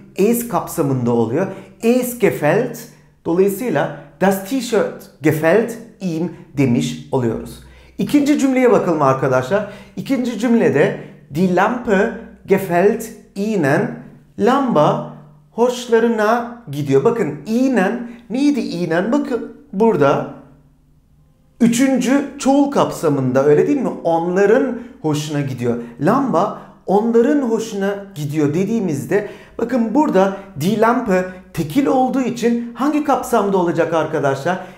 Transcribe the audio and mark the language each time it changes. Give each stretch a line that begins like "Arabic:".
Turkish: Es kapsamında oluyor.
German: Es gefällt.
Turkish: Dolayısıyla
German: das t-shirt gefällt ihm
Turkish: demiş oluyoruz. İkinci cümleye bakalım arkadaşlar. İkinci cümlede
German: die Lampe gefällt ihnen.
Turkish: Lamba hoşlarına gidiyor. Bakın ihnen neydi ihnen? Bakın burada üçüncü çoğul kapsamında öyle değil mi? Onların hoşuna gidiyor. Lamba onların hoşuna gidiyor dediğimizde bakın burada die Lampe tekil olduğu için hangi kapsamda olacak arkadaşlar?